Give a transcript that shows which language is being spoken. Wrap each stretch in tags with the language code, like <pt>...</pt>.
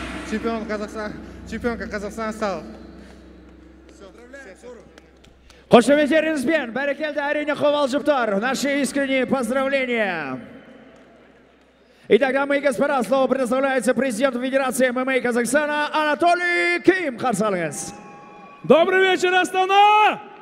<ru>Чемпионка Казахстан стал.</ru> <kk>Хошем етеріңізбен, бәрекелді әрине қобалжып тұр.</kk> <ru>Наши искренние поздравления. Итак, дамы и господа, слово предоставляется президенту Федерации ММА Казахстана Анатолий Ким.</ru> <kk>Қарсы алыңыз.</kk> <ru>Добрый вечер, Астана!</ru>